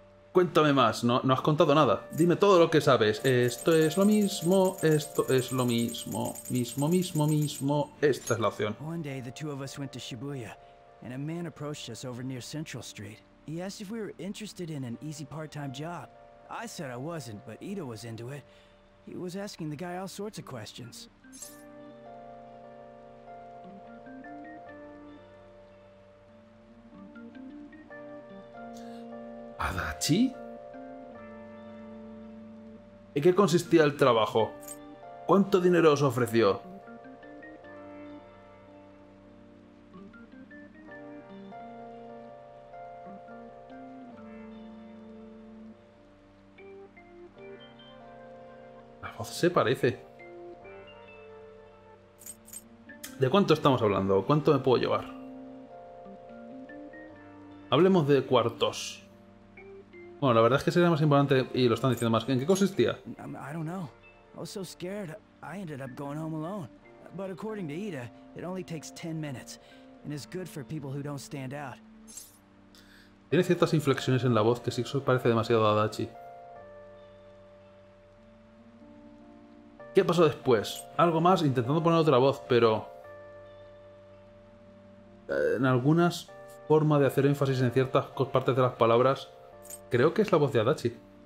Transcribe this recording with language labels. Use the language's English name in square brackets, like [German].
[Spanish] Cuéntame más, no has contado nada. Dime todo lo que sabes. Esto es lo mismo, esto es lo mismo, mismo, mismo, mismo. Esta es la opción. [English] One day the two of us went to Shibuya, and a man approached us over near Central Street. He asked if we were interested in an easy part-time job. I said I wasn't, but Ida was into it. He was asking the guy all sorts of questions. [Spanish] ¿Adachi? ¿En qué consistía el trabajo? ¿Cuánto dinero os ofreció? La voz se parece. ¿De cuánto estamos hablando? ¿Cuánto me puedo llevar? Hablemos de cuartos. Bueno, la verdad es que sería más importante, y lo están diciendo más, ¿en qué consistía? [English] I don't know. I was so scared, I ended up going home alone. But according to Ida, it only takes 10 minutes, and is good for people who don't stand out. [Spanish] Tiene ciertas inflexiones en la voz que sí parece demasiado a Adachi. ¿Qué pasó después? Algo más, intentando poner otra voz, pero... en algunas formas de hacer énfasis en ciertas partes de las palabras, creo que es la voz de Adachi.